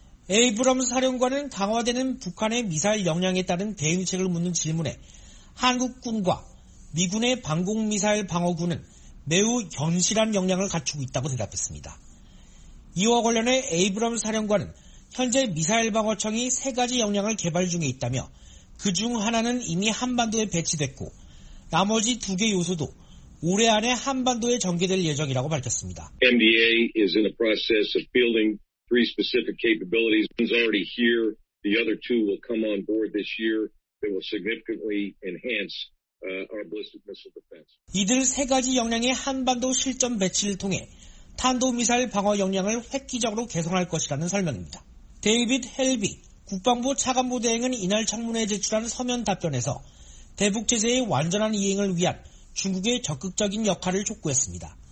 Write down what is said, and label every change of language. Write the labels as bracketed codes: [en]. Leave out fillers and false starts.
[ko] 에이브럼스 사령관은 강화되는 북한의 미사일 역량에 따른 대응책을 묻는 질문에 한국군과 미군의 방공미사일 방어군은 매우 견실한 역량을 갖추고 있다고 대답했습니다. 이와 관련해 에이브럼스 사령관은 현재 미사일 방어청이 세 가지 역량을 개발 중에 있다며 그중 하나는 이미 한반도에 배치됐고 나머지 두 개 요소도 올해 안에 한반도에 전개될 예정이라고 밝혔습니다. [en] MDA is in the process of building three specific capabilities. One's already here. The other two will come on board this year. They will significantly enhance our ballistic missile defense. [ko] 이들 세 가지 역량의 한반도 실전 배치를 통해 탄도미사일 방어 역량을 획기적으로 개선할 것이라는 설명입니다. 데이빗 헬비 국방부 차관보 대행은 이날 청문회에 제출한 서면 답변에서 대북 제재의 완전한 이행을 위한 중국의 적극적인 역할을 촉구했습니다.